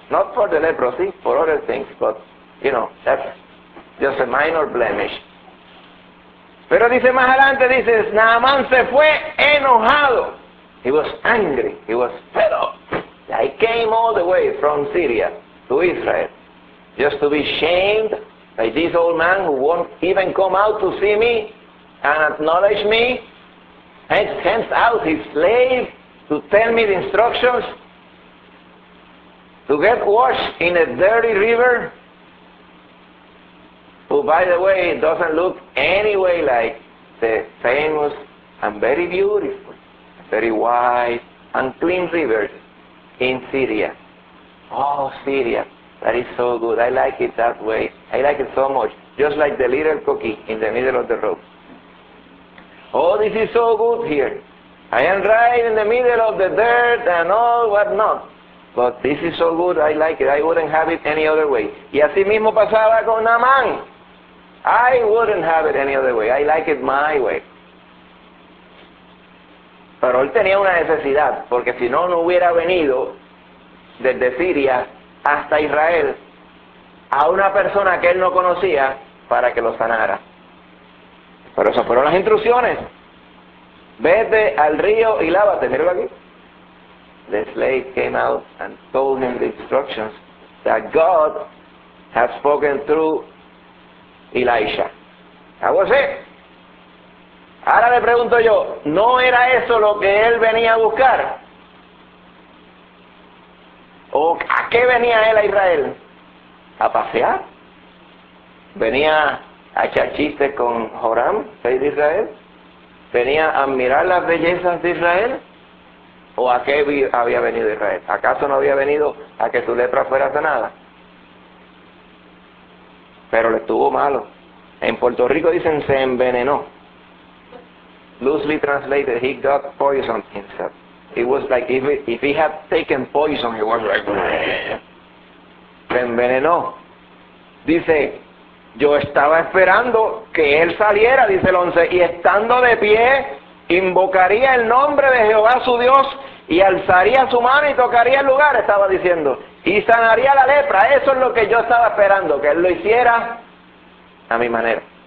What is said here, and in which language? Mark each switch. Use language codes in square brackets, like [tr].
[en] Not for the leprosy, for other things, but, you know, that's just a minor blemish. [es] Pero dice más adelante, dice, Naamán se fue enojado. [en] He was angry. He was fed up. I came all the way from Syria to Israel just to be shamed by this old man who won't even come out to see me and acknowledge me. And sends out his slave to tell me the instructions to get washed in a dirty river, who, by the way, doesn't look any way like the famous and very beautiful, very wide and clean rivers in Syria. Oh, Syria. That is so good. I like it that way. I like it so much. Just like the little cookie in the middle of the road. Oh, this is so good here. I am right in the middle of the dirt and all whatnot. But this is so good. I like it. I wouldn't have it any other way. [es] Y así mismo pasaba con Naaman. [en] I wouldn't have it any other way. I like it my way. [es] Pero él tenía una necesidad, porque si no, no hubiera venido desde Siria hasta Israel a una persona que él no conocía para que lo sanara. Pero esas fueron las instrucciones. Vete al río y lávate. Míralo aquí. [en] The slave came out and told him the instructions that God had spoken through Elisha. That was it. [es] Ahora le pregunto yo, ¿no era eso lo que él venía a buscar? ¿O a qué venía él a Israel? ¿A pasear? ¿Venía a echar chistes con Joram, rey de Israel? ¿Venía a admirar las bellezas de Israel? ¿O a qué había venido Israel? ¿Acaso no había venido a que su lepra fuera sanada? Pero le estuvo malo. En Puerto Rico dicen se envenenó. [en] Loosely translated, he got poisoned himself. It was like if he had taken poison, he was like, se envenenó. [es] Dice, yo estaba esperando que él saliera, dice el 11, y estando de pie, invocaría el nombre de Jehová su Dios y alzaría su mano y tocaría el lugar, estaba diciendo, y sanaría la lepra. Eso es lo que yo estaba esperando, que él lo hiciera a mi manera.